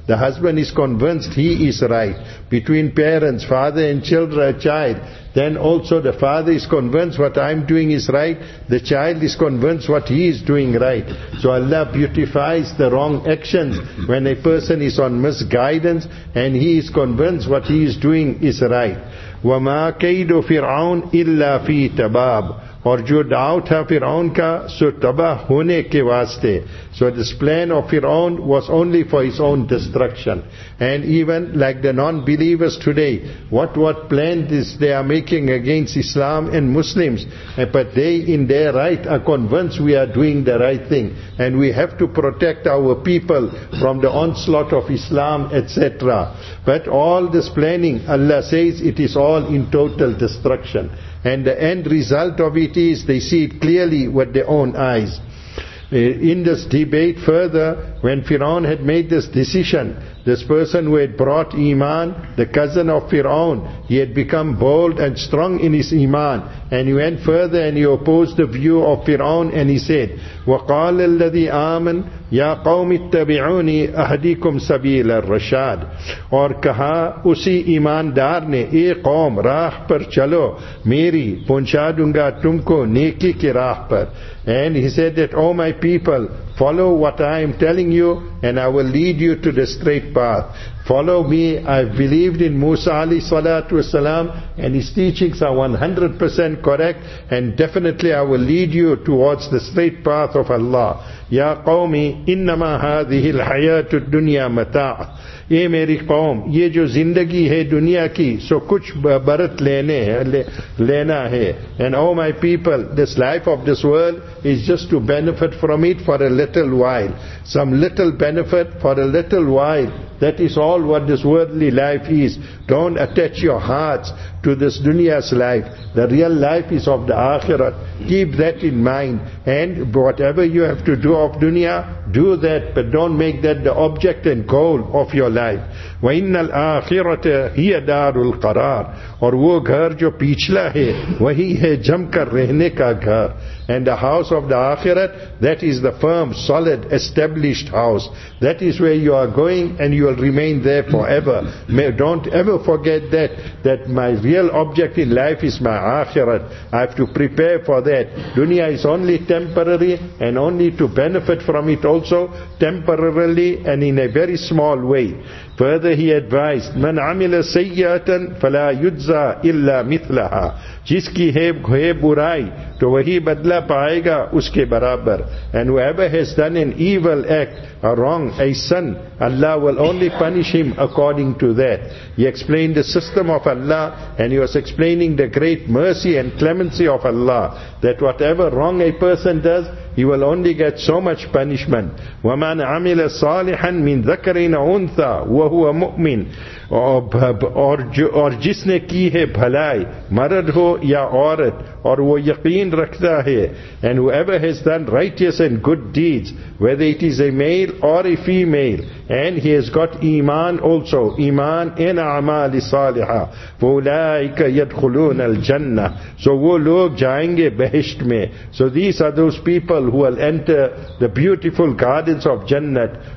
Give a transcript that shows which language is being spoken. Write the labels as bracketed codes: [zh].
[en] The husband is convinced he is right. Between parents, father and child, then also the father is convinced what I'm doing is right. The child is convinced what he is doing right. So Allah beautifies the wrong actions when a person is on misguidance and he is convinced what he is doing is right. [ar] وَمَا كَيْدُ فِرْعَوْنِ إِلَّا فِي تَبَابٍ, [ur] اور جو doubt ہے فرعون کا سو تباہ ہونے کے واسطے. [en] So this plan of Fir'aun was only for his own destruction. And even like the non-believers today, what plan is they are making against Islam and Muslims? But they in their right are convinced we are doing the right thing. And we have to protect our people from the onslaught of Islam, etc. But all this planning, Allah says, it is all in total destruction. And the end result of it is, they see it clearly with their own eyes. In this debate further, when Fir'aun had made this decision, this person who had brought Iman, the cousin of Fir'aun, he had become bold and strong in his Iman. And he went further and he opposed the view of Fir'aun and he said, [ar] وَقَالَ الَّذِي آمَنْ يَا قَوْمِ اتَّبِعُونِي أَهْدِكُمْ سَبِيلَ الرَّشَادِ [ur] اور کہا اسی ایماندار نے اے قوم راہ پر چلو میری پہنچا دوں گا تم کو نیکی کی راہ پر. [en] And he said that, O my people, follow what I am telling you and I will lead you to the straight path. Follow me, I believed in Musa alayhi salatu wasalam and his teachings are 100% correct and definitely I will lead you towards the straight path of Allah. [ar] Ya qawmi, innama hadhihi alhayatu dunya mata'a. [ur] Ye meri qawm, ye jo zindagi hai dunya ki, so kuch barat lena hai. [en] And oh my people, this life of this world is just to benefit from it for a little while. Some little benefit for a little while. That is all what this worldly life is. Don't attach your hearts to this dunya's life. The real life is of the akhirat. Keep that in mind. And whatever you have to do of dunya, do that. But don't make that the object and goal of your life. [ar] وَإِنَّ الْآخِرَةَ هِيَ دَارُ الْقَرَارِ [ur] اور وہ گھر جو پیچھلا ہے وہی ہے جم کر رہنے کا گھر. [en] And the house of the akhirat, that is the firm, solid, established house. That is where you are going and you will remain there forever. Don't ever forget that my real object in life is my akhirat. I have to prepare for that. Dunya is only temporary and only to benefit from it also temporarily and in a very small way. Further he advised, [ar] مَنْ عَمِلَ سَيِّئَةً فَلَا يُجْزَى إِلَّا مِثْلَهَا [ur] جِسْ کی ہے برائی تو وہی بدلہ پائے گا اس کے برابر. [en] And whoever has done an evil act, a wrong, a sin, Allah will only punish him according to that. He explained the system of Allah and he was explaining the great mercy and clemency of Allah that whatever wrong a person does, he will only get so much punishment. [ar] وَمَنْ عَمِلَ صَالِحًا مِنْ ذَكَرِنَ أُنْثَى وَهُوَ مُؤْمِنْ [ur] اور جس نے کی ہے بھلائی مرد ہو یا عورت اور وہ یقین رکھتا ہے. [en] And whoever has done righteous and good deeds, whether it is a male or a female, and he has got iman also, iman in [ar] عمال صالحا فَأُولَٰئِكَ يَدْخُلُونَ الْجَنَّةِ [en] so [ur] وہ لوگ جائیں گے بہشت میں. [en] So these are those people who will enter the beautiful gardens of Jannat.